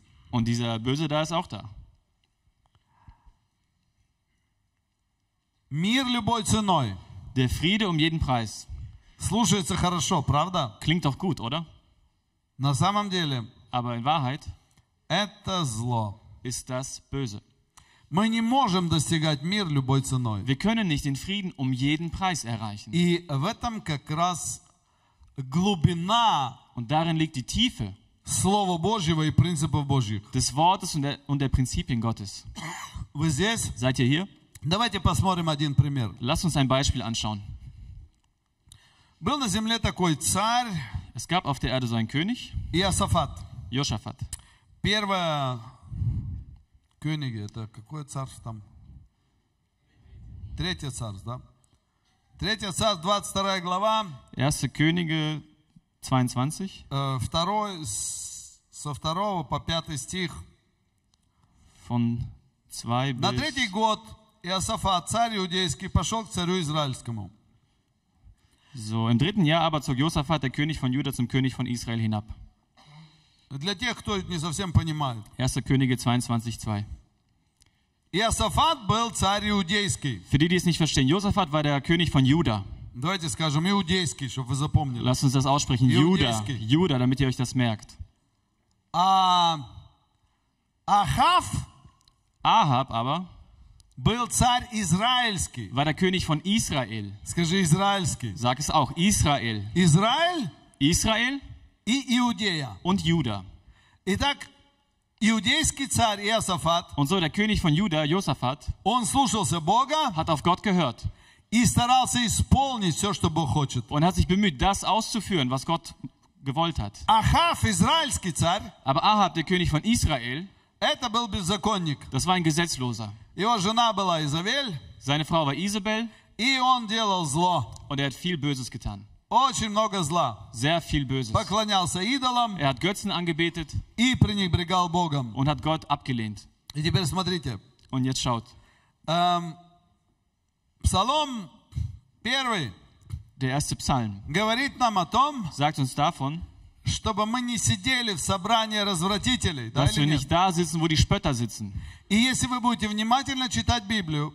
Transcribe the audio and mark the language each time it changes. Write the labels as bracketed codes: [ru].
[de] Und dieser Böse da ist auch da. [ru] Мир любой ценой. [de] Der Friede um jeden Preis. [ru] Слушается хорошо, правда? [de] Klingt doch gut, oder? [ru] На самом деле, [de] aber in Wahrheit, [ru] это зло. [de] Ist das böse. [ru] Мы не можем достигать мир любой ценой. [de] Wir können nicht den Frieden um jeden Preis erreichen. [ru] И в этом как раз глубина. [de] Und darin liegt die Tiefe. [ru] Слово Божьего и принципов Божьих. [de] Des Wortes und der Prinzipien Gottes. [ru] Вы здесь? [de] Seid ihr hier? [ru] Давайте посмотрим один пример. [de] Lass uns ein Beispiel anschauen. [ru] Был на земле такой царь. [de] Es gab auf der Erde so einen König. [ru] Иосафат. Йошафат. Первое Könige, это какое царство там? Третье царство, да? Третье царство, 22 глава. [de] Erste Könige, 22. [ru] Второй, со второго по пятый стих. [de] Von 2 [ru] на третий год Иосафат, царь иудейский, пошел к царю израильскому. [de] So, im dritten Jahr aber zog Josaphat, der König von Juda, zum König von Israel hinab. [ru] Для тех, кто не совсем понимает. [de] 1. Könige 22:2. [ru] Иосафат был царь иудейский. [de] Für die, die es nicht verstehen, Josaphat war der König von Juda. [ru] Давайте скажем иудейский, чтобы вы запомнили. [de] Lass uns das aussprechen, Juda. Juda, damit ihr euch das merkt. [ru] Ахав [de] aber [ru] был царь израильский. [de] War der König von Israel. [ru] Скажи израильский. [de] Sag es auch, Israel. [ru] Israel. И Иудея. [de] Und Juda. [ru] Итак, иудейский царь Иосафат. [de] Und so, der König von Juda, Josaphat. [ru] Он слушался Бога. [de] Hat auf Gott gehört. [ru] И старался исполнить все, что Бог хочет. [de] Und hat sich bemüht, das auszuführen, was Gott gewollt hat. [ru] Ахав, израильский царь. [de] Aber Ахав, der König von Israel. [ru] Это был беззаконник. [de] Das war ein Gesetzloser. [ru] Его жена была Изабель. [de] Seine Frau war Isabel. [ru] И он делал зло. [de] Und hat viel Böses getan. [ru] Очень много зла. [de] Sehr viel Böses. [ru] Поклонялся идолам. [de] Er hat Götzen angebetet. [ru] И пренебрегал Богом. [de] Und hat Gott abgelehnt. [ru] И теперь смотрите. [de] Und jetzt schaut. [ru] Псалом первый. [de] Der erste Psalm. [ru] Говорит нам о том. [de] Sagt uns davon. [ru] Чтобы мы не сидели в собрании развратителей. [de] Dass wir nicht da sitzen, wo die Spötter sitzen. [ru] И если вы будете внимательно читать Библию,